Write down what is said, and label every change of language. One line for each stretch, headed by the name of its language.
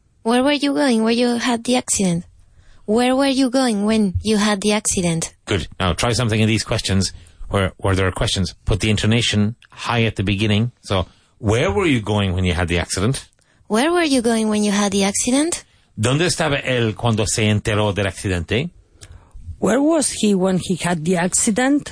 English: Where were you going when you had the accident? Where were you going when you had the accident? Good. Now try something in these questions where there are questions. Put the intonation high at the beginning. So, where were you going when you had the accident? Where were you going when you had the accident?
Spanish: ¿Dónde estaba él cuando se enteró del accidente?
English: Where was he when he had the accident?